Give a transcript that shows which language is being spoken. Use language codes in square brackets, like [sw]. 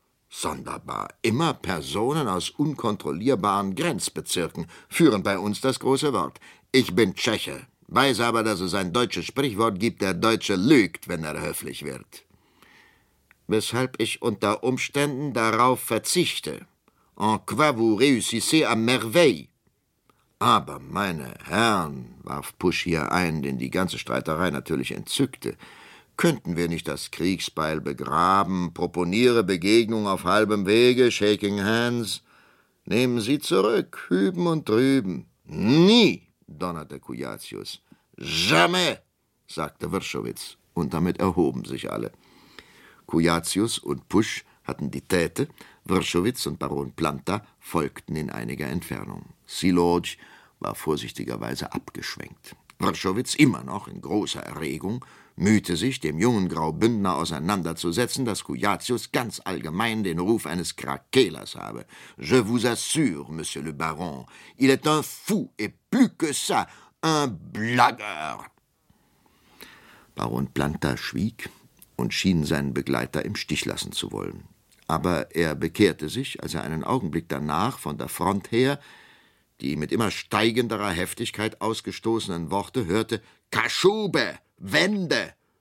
[de] Sonderbar, immer Personen aus unkontrollierbaren Grenzbezirken führen bei uns das große Wort. Ich bin Tscheche, weiß aber, dass es ein deutsches Sprichwort gibt, der Deutsche lügt, wenn er höflich wird. Weshalb ich unter Umständen darauf verzichte. [fr] En quoi vous réussissez à merveille. [de] Aber, meine Herren, warf Pusch hier ein, den die ganze Streiterei natürlich entzückte, könnten wir nicht das Kriegsbeil begraben, proponiere Begegnung auf halbem Wege, [en] shaking hands. [de] Nehmen Sie zurück, hüben und drüben. Nie, donnerte Cujatius. Jamais, sagte Wrschowitz. Und damit erhoben sich alle. Cujatius und Pusch hatten die Täte, Wrschowitz und Baron Planta folgten in einiger Entfernung. Zilotsch war vorsichtigerweise abgeschwenkt. Wrschowitz, immer noch in großer Erregung, mühte sich, dem jungen Graubündner auseinanderzusetzen, dass Cujatius ganz allgemein den Ruf eines Krakelers habe. [fr] Je vous assure, Monsieur le Baron, il est un fou et plus que ça, un blagueur. [de] Baron Planta schwieg und schien seinen Begleiter im Stich lassen zu wollen. Aber er bekehrte sich, als er einen Augenblick danach von der Front her die mit immer steigenderer Heftigkeit ausgestoßenen Worte hörte: »Kaschube! Wende!